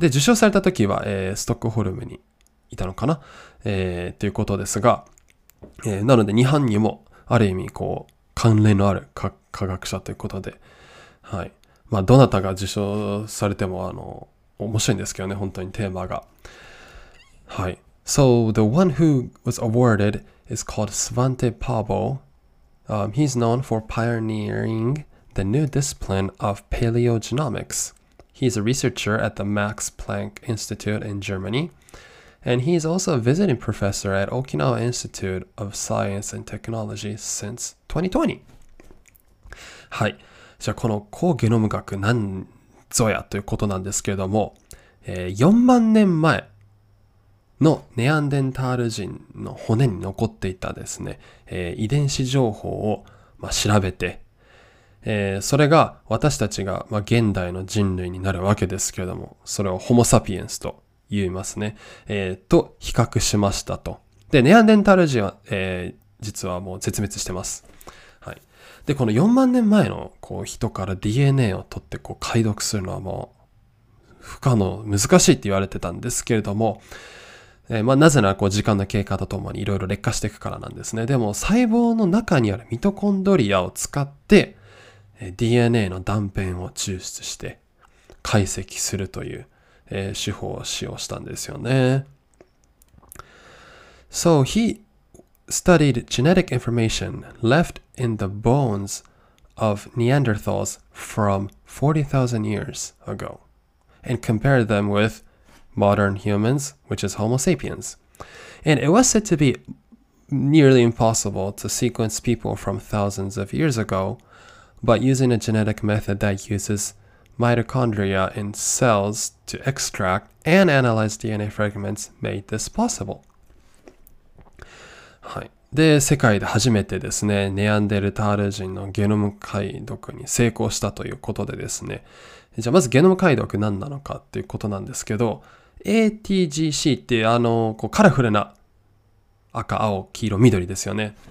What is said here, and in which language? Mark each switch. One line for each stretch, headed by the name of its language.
Japanese: で、受賞された時は、ストックホルムにいたのかな、ということですが、なので、日本にも、ある意味、こう、関連のある科学者ということで、はい。まあ、どなたが受賞されても、面白いんですけどね、本当にテーマが。はい。
English: So the one who was awarded is called Svante Paabo. He's known for pioneering the new discipline of paleogenomics. He's a researcher at the Max Planck Institute in Germany. And he's also a visiting professor at Okinawa Institute of Science and Technology since 2020.
Japanese: はい。じゃあこの高ゲノム学何ぞやということなんですけれども、4万年前のネアンデンタール人の骨に残っていたですね、遺伝子情報を、まあ、調べて、それが私たちが、まあ、現代の人類になるわけですけれども、それをホモサピエンスと言いますね、と比較しましたと。で、ネアンデンタール人は、実はもう絶滅してます。はい。で、この4万年前のこう人から DNA を取ってこう解読するのはもう不可能、難しいって言われてたんですけれども、まあ、なぜならこう時間の経過とともにいろいろ劣化していくからなんですね。でも細胞の中にあるミトコンドリアを使って DNA の断片を抽出して解析するという手法を使用したんですよね。
English: So he studied genetic information left in the bones of Neanderthals from 40,000 years ago and compared them withmodern humans, which is Homo sapiens. And it was said to be nearly impossible to sequence people from thousands of years ago, but using a genetic method that uses mitochondria in cells to extract and analyze DNA fragments made this possible.
Japanese: はい。で、世界で初めてですね、ネアンデルタール人のゲノム解読に成功したということでですね。じゃあまずゲノム解読何なのかっていうことなんですけど、ATGC ってこうカラフルな赤、青、黄色、緑ですよね。